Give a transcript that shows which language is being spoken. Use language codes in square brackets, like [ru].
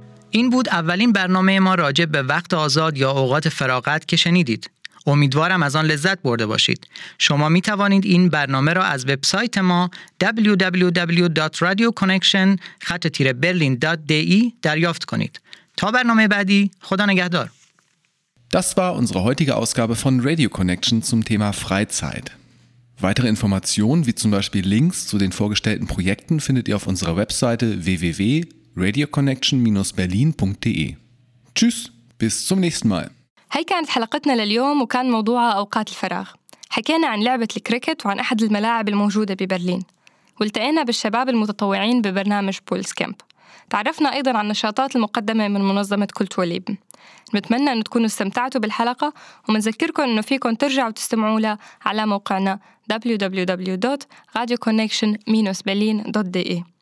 [fa] این بود اولین برنامه ما راجع به وقت آزاد یا اوقات فراغت که شنیدید. امیدوارم از آن لذت برده باشید. شما می توانید این برنامه را از وبسایت ما www.radioconnection.de دریافت کنید. تا برنامه بعدی، خدا نگهدار. [de] Das war unsere heutige Ausgabe von Radio Connection zum Thema Freizeit. Weitere Informationen, wie zum Beispiel Links zu den vorgestellten Projekten, findet ihr auf unserer Webseite www.radioconnection-berlin.de. Tschüss, bis zum nächsten Mal. [ar] هاي كانت حلقتنا لليوم وكان موضوعها أوقات الفراغ. حكينا عن لعبة الكريكت وعن أحد الملاعب الموجودة ببرلين. والتقينا بالشباب المتطوعين ببرنامج بولز كامب. تعرفنا أيضا عن النشاطات المقدمة من منظمة كولتوليب. نتمنى أن تكونوا استمتعتوا بالحلقة ومنذكركم أنه فيكم ترجعوا تستمعوا لها على موقعنا www.radioconnection-berlin.de.